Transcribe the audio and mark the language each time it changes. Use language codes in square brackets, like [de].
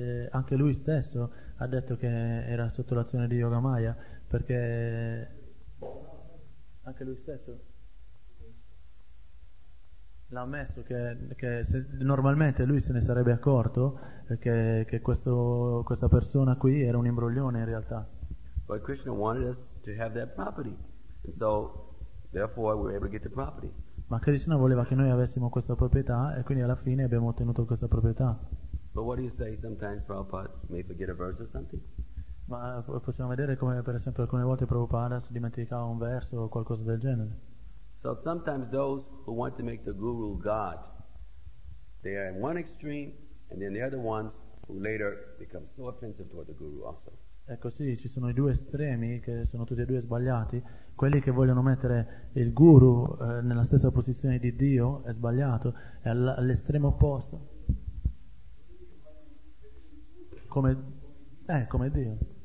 [it] Anche lui stesso ha detto che era sotto l'azione di yoga maya, perché anche lui stesso l'ha ammesso che se, normalmente lui se ne sarebbe accorto che questa persona qui era un imbroglione in realtà. [en] But Krishna wanted us to have that property, and so therefore we were able to get the property. [it] Ma Krishna voleva che noi avessimo questa proprietà, e quindi alla fine abbiamo ottenuto questa proprietà. [en] But what do you say? Sometimes Prabhupada may forget a verse or something. [it] Ma possiamo vedere come, per esempio, alcune volte Prabhupada si dimenticava un verso o qualcosa del genere. [en] So sometimes those who want to make the guru God, they are in one extreme, and then the other ones who later become so offensive toward the guru also. [it] Ecco, sì, ci sono i due estremi che sono tutti e due sbagliati. Quelli che vogliono mettere il guru nella stessa posizione di Dio è sbagliato, e all'estremo opposto. Come Dio.